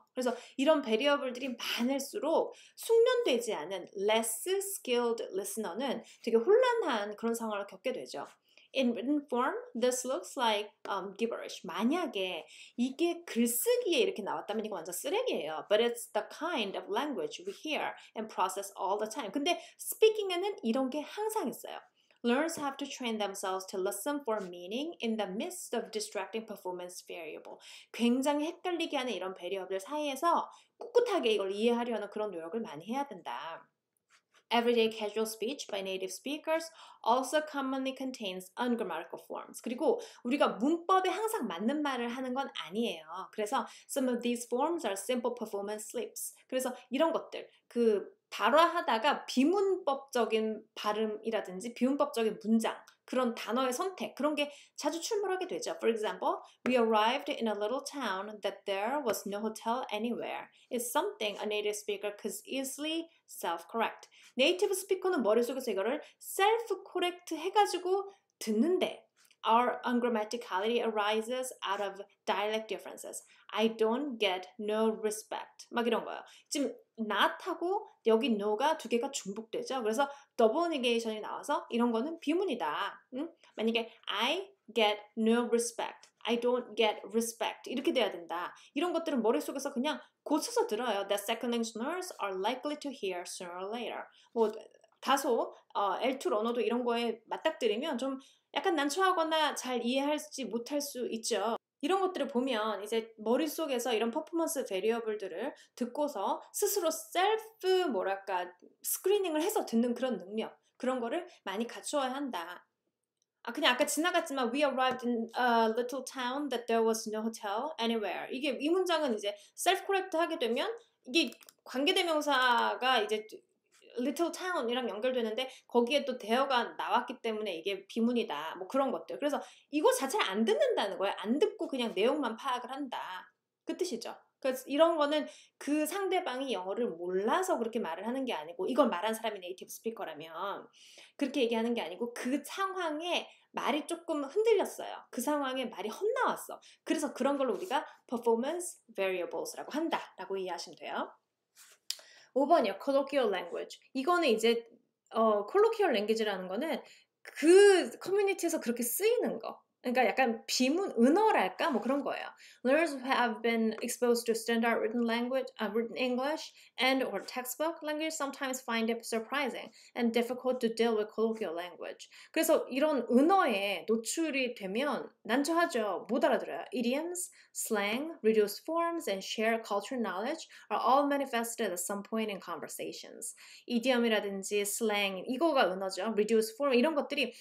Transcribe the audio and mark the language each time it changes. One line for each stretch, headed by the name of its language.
Korean: 그래서 이런 variable들이 많을수록 숙련되지 않은 less skilled listener는 되게 혼란한 그런 상황을 겪게 되죠.
English: In written form, this looks like gibberish.
Korean: 만약에 이게 글쓰기에 이렇게 나왔다면 이거 완전 쓰레기예요.
English: But it's the kind of language we hear and process all the time.
Korean: 근데 speaking에는 이런 게 항상 있어요.
English: Learners have to train themselves to listen for meaning in the midst of distracting performance variable.
Korean: 굉장히 헷갈리게 하는 이런 variable들 사이에서 꿋꿋하게 이걸 이해하려는 그런 노력을 많이 해야 된다.
English: Everyday casual speech by native speakers also commonly contains ungrammatical forms.
Korean: 그리고 우리가 문법에 항상 맞는 말을 하는 건 아니에요.
English: 그래서 some of these forms are simple performance slips.
Korean: 그래서 이런 것들, 그 발화하다가 비문법적인 발음이라든지 비문법적인 문장, 그런 단어의 선택, 그런 게 자주 출몰하게 되죠.
English: For example, we arrived in a little town that there was no hotel anywhere. It's something a native speaker could easily self-correct.
Korean: 네이티브 스피커는 머릿속에서 이거를 self-correct 해가지고 듣는데,
English: Our ungrammaticality arises out of dialect differences. I don't get no respect.
Korean: 막 이런 거예요. 지금 not하고 여기 no가 두 개가 중복되죠. 그래서 double negation이 나와서 이런 거는 비문이다. 응?
English: 만약에 I get no respect. I don't get respect.
Korean: 이렇게 돼야 된다. 이런 것들은 머릿속에서 그냥 고쳐서 들어요.
English: That second language learners are likely to hear sooner or later.
Korean: 뭐, 다소 L2 언어도 이런 거에 맞닥뜨리면 좀 약간 난처하거나 잘 이해할지 못할 수 있죠. 이런 것들을 보면 이제 머릿속에서 이런 퍼포먼스 variable들을 듣고서 스스로 셀프 뭐랄까 스크리닝을 해서 듣는 그런 능력 그런 거를 많이 갖추어야 한다. 아 그냥 아까 지나갔지만
English: We arrived in a little town that there was no hotel anywhere.
Korean: 이게 이 문장은 이제 셀프 코렉트 하게 되면 이게 관계대명사가 이제 Little Town이랑 연결되는데 거기에 또 대어가 나왔기 때문에 이게 비문이다. 뭐 그런 것들. 그래서 이거 자체를 안 듣는다는 거예요. 안 듣고 그냥 내용만 파악을 한다. 그 뜻이죠. 그래서 이런 거는 그 상대방이 영어를 몰라서 그렇게 말을 하는 게 아니고 이걸 말한 사람이 네이티브 스피커라면 그렇게 얘기하는 게 아니고 그 상황에 말이 조금 흔들렸어요. 그 상황에 말이 헛나왔어. 그래서 그런 걸 우리가 Performance Variables라고 한다라고 이해하시면 돼요. 5번이요. Colloquial language. 이거는 이제 colloquial language라는 거는 그 커뮤니티에서 그렇게 쓰이는 거. 그러니까 약간 비문, 은어랄까? 뭐 그런 거예요.
English: Learners have been exposed to standard written language, written English and or textbook language sometimes find it surprising and difficult to deal with colloquial language.
Korean: 그래서 이런 은어에 노출이 되면 난처하죠. 못 알아들어요.
English: Idioms, slang, reduced forms, and shared cultural knowledge are all manifested at some point in conversations.
Korean: Idiom이라든지 slang, 이거가 은어죠. reduced form, 이런 것들이.